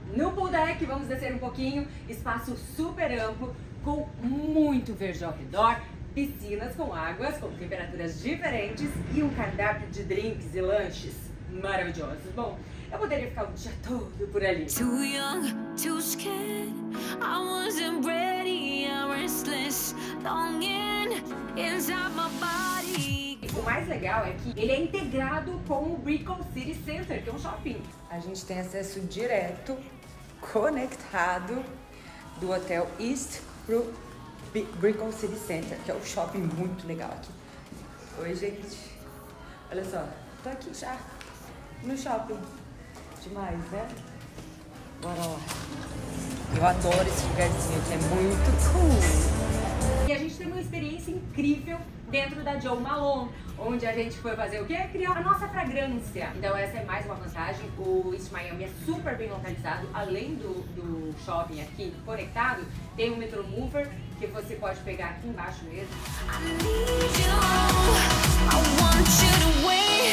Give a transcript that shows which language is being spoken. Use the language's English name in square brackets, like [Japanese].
[Portuguese] No pool deck, vamos descer um pouquinho, espaço super amplo, com muito verde ao redor, piscinas com águas com temperaturas diferentes e um cardápio de drinks e lanches maravilhosos. Bom, eu poderia ficar o dia todo por ali. [English] Too young, too scared. I wasn't ready, I'm restless, longing inside my body. [Portuguese] O mais legal é que ele é integrado com o Brickell City Center, que é um shopping. A gente tem acesso direto, conectado, do Hotel East pro Brickell City Center, que é um shopping muito legal aqui. Oi, gente. Olha só, tô aqui já no shopping. Demais, né? Bora lá. Eu adoro esse lugarzinho aqui, é muito cool. E a gente teve uma experiência incrível dentro da Jo Malone, onde a gente foi fazer o quê? Criar a nossa fragrância. Então essa é mais uma vantagem. O East Miami é super bem localizado. Além do shopping aqui conectado, tem um metrô mover que você pode pegar aqui embaixo mesmo. [English] I need you. I want you to wait.